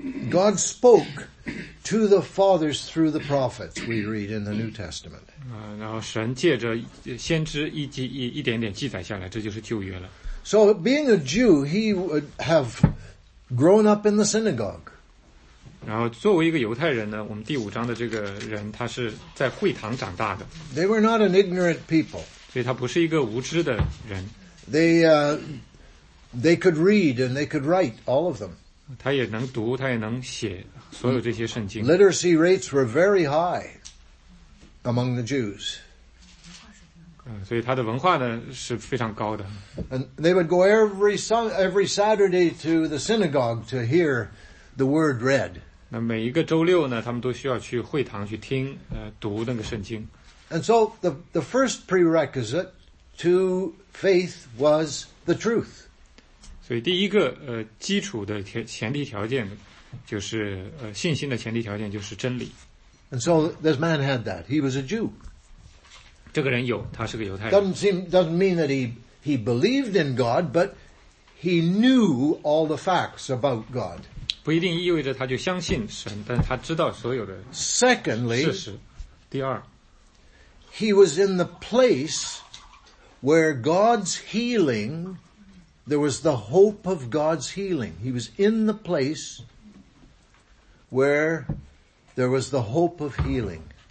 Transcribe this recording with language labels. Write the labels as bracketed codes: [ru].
[en] God spoke to the fathers through the prophets, we read in the New Testament. [zh] 然后神借着先知一点点记载下来，这就是旧约了。 [en] So being a Jew, he would have grown up in the synagogue. [zh] 然后作为一个犹太人呢，我们第五章的这个人，他是在会堂长大的。 [en] They were not an ignorant people. [zh] 所以他不是一个无知的人。 [en] They could read and they could write, all of them. [zh] 他也能读，他也能写所有这些圣经。 [en] Literacy rates were very high among the Jews. [zh] 所以他的文化呢是非常高的。 [en] And they would go every Saturday to the synagogue to hear the word read. [zh] 那每一个周六呢，他们都需要去会堂去听，读那个圣经。 [en] And so the first prerequisite to faith was the truth. [zh] 所以第一个基础的前提条件就是信心的前提条件就是真理。 [en] And so this man had that. He was a Jew. [zh] 这个人有，他是个犹太人。 [en] Doesn't mean that he believed in God, but he knew all the facts about God. [zh] 不一定意味着他就相信神，但他知道所有的事实。 [en] Secondly, [zh] 第二 [en] he was in the place where God's healing, there was the hope of God's healing. He was in the place where there was the hope of healing.